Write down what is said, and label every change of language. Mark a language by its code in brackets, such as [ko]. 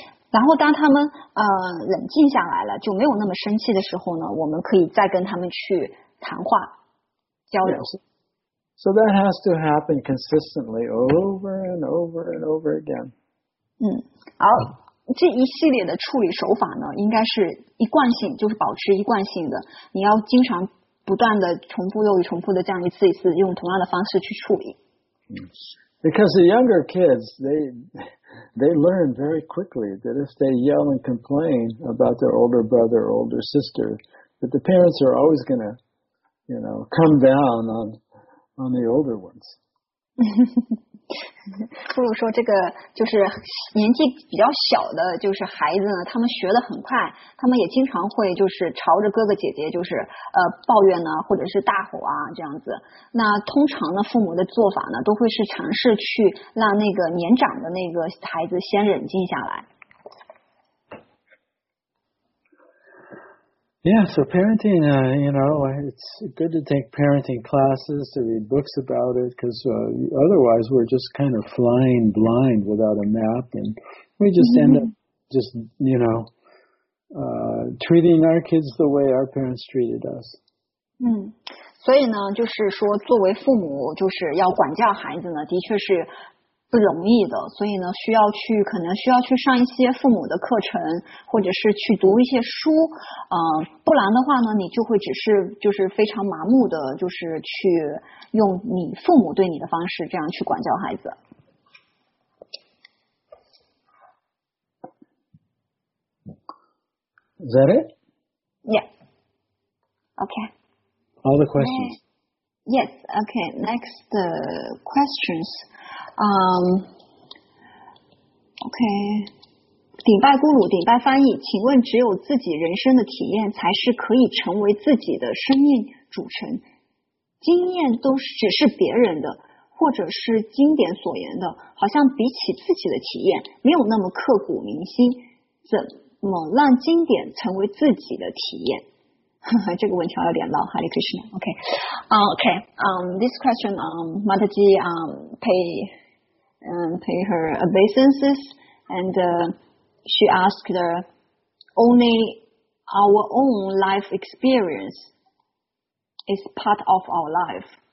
[zh] 然后当他们冷静下来了，就没有那么生气的时候呢，我们可以再跟他们去谈话交流。 [en] Yes. So that has to happen consistently over and over and over again. [zh] 好，这一系列的处理手法呢，应该是一贯性，就是保持一贯性的。你要经常不断的重复又一重复的这样一次一次用同样的方式去处理。 [en] Because the younger kids, they learn very quickly that if they yell and complain about their older brother or older sister, that the parents are always going to, you know, come down on the older ones. [zh] 不如说这个就是年纪比较小的就是孩子呢，他们学得很快，他们也经常会就是朝着哥哥姐姐就是抱怨呢，或者是大吼啊这样子。那通常呢，父母的做法呢，都会是尝试去让那个年长的那个孩子先冷静下来。 [en] Yeah, so parenting, you know, it's good to take parenting classes, to read books about it, because otherwise we're just kind of flying blind without a map, and we just end up just, you know, treating our kids the way our parents treated us. [zh] 所以呢，就是说作为父母，就是要管教孩子呢，的确是不容易的，所以呢，可能需要去上一些父母的课程，或者是去读一些书，不然的话呢，你就会只是就是非常麻木的，就是去用你父母对你的方式这样去管教孩子。 [en] Is that it? Yeah. Okay. All the questions. Yes. Okay. Next questions. [zh] OK， 顶拜咕噜，顶拜翻译，请问只有自己人生的体验才是可以成为自己的生命主成，经验都只是别人的或者是经典所言的，好像比起自己的体验没有那么刻骨铭心，怎么让经典成为自己的体验？这个问题有点绕。Hare Krishna。 [en] OK OK this question Mataji pay her obeisances and she asked her, only our own life experience is part of our life.